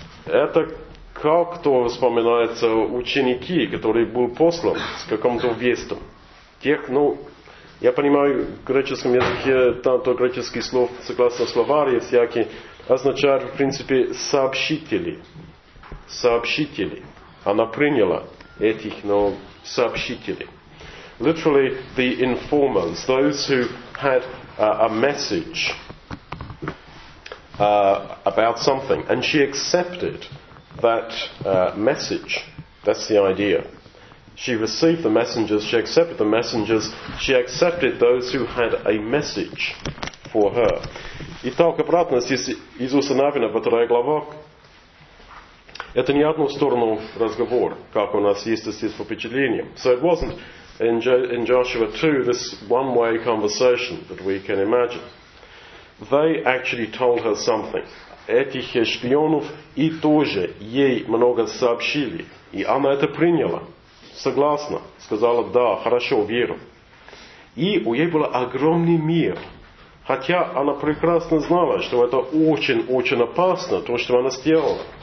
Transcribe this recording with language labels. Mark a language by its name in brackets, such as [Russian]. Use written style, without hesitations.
[Russian] Это как-то вспоминается ученики, которые были посланы с каком-то вестом. Тех, я понимаю, в греческом языке то греческий слов, согласно словарю всякий, означает, в принципе, сообщители. Сообщители. Она приняла этих, сообщителей. [English] Literally, the informers, those who had a message about something. And she accepted that message. That's the idea. She received the messengers, she accepted the messengers, she accepted those who had a message for her. [Russian] Итак, обратно, здесь Иисуса Навина, 2 глава. Это не одну сторону разговора, как у нас есть здесь впечатление. [English] So it wasn't in Joshua 2 this one-way conversation that we can imagine. They actually told her something. [Russian] Этих шпионов и тоже ей много сообщили. И она это приняла. Согласна. Сказала, да, хорошо, верю. И у ей был огромный мир. Хотя она прекрасно знала, что это очень-очень опасно, то, что она сделала.